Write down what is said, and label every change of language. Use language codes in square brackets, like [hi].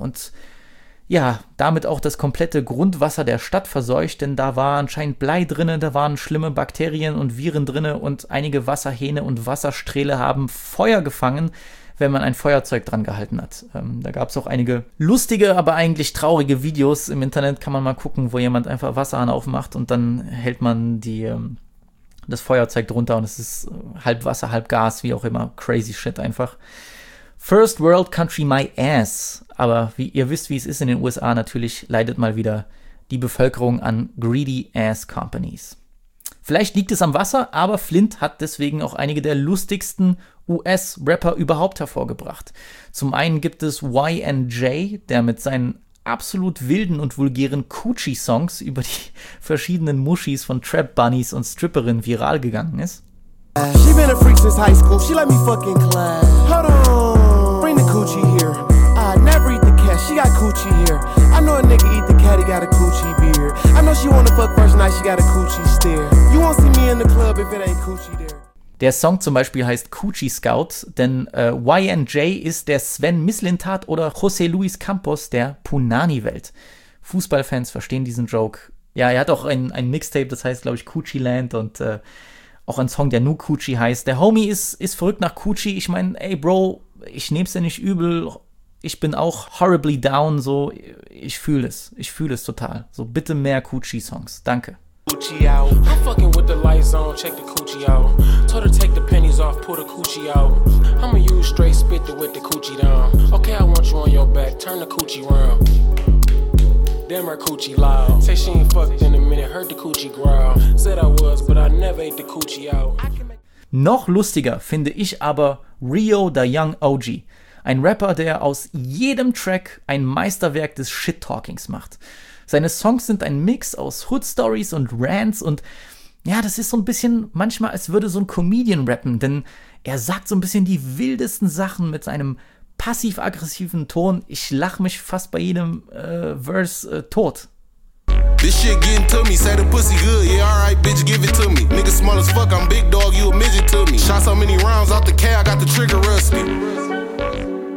[de] Und ja, damit auch das komplette Grundwasser der Stadt verseucht, denn da war anscheinend Blei drinne, da waren schlimme Bakterien und Viren drinne und einige Wasserhähne und Wassersträhle haben Feuer gefangen, wenn man ein Feuerzeug dran gehalten hat. Da gab es auch einige lustige, aber eigentlich traurige Videos im Internet, kann man mal gucken, wo jemand einfach Wasserhahn aufmacht und dann hält man das Feuerzeug drunter und es ist halb Wasser, halb Gas, wie auch immer, [en] crazy shit [de] einfach. [en] First World Country my ass. [de] Aber wie ihr wisst, wie es ist in den USA, natürlich leidet mal wieder die Bevölkerung an [en] greedy ass companies. [de] Vielleicht liegt es am Wasser, aber Flint hat deswegen auch einige der lustigsten US-Rapper überhaupt hervorgebracht. Zum einen gibt es YNJ, der mit seinen absolut wilden und vulgären Coochie-Songs über die verschiedenen Muschis von Trap-Bunnies und Stripperinnen viral gegangen ist. [en] She been a freak since high school, she let me fucking clap. Hold on, bring the coochie here. Never eat the cat, she got coochie here. I know a nigga eat the cat, he got a coochie beard. I know she wanna fuck first night, she got a coochie stare. You won't see me in the club if it ain't coochie there. [de] Der Song zum Beispiel heißt Coochie Scout, denn YNJ ist der Sven Mislintat oder José Luis Campos der Punani-Welt. Fußballfans verstehen diesen Joke. Ja, er hat auch ein Mixtape, das heißt, glaube ich, Coochie Land und auch ein Song, der nur Coochie heißt. Der Homie ist verrückt nach Coochie. Ich meine, ey Bro, ich nehm's dir nicht übel. Ich bin auch [en] horribly down, [de] so, ich fühle es. Ich fühle es total. So, bitte mehr Coochie-Songs. Danke. Coochie out. [en] I'm fucking with the lights on, check the coochie out. Told her take the pennies off, pull the coochie out. I'ma use straight spit to whip the coochie down. Okay, I want you on your back, turn the coochie round. Damn her coochie loud. Say she ain't fucked in a minute, heard the coochie growl. Said I was, but I never ate the coochie out. [de] Noch lustiger finde ich aber Rio the Young OG. Ein Rapper, der aus jedem Track ein Meisterwerk des Shit-Talkings macht. Seine Songs sind ein Mix aus Hood-Stories und Rants und ja, das ist so ein bisschen manchmal, als würde so ein Comedian rappen, denn er sagt so ein bisschen die wildesten Sachen mit seinem passiv-aggressiven Ton. Ich lach mich fast bei jedem Verse tot. [en] This shit getting to me, say the pussy good, yeah alright bitch give it to me. Nigga small as fuck, I'm big dog, you a midget to me. Shot so many rounds off the K, I got the trigger rusty.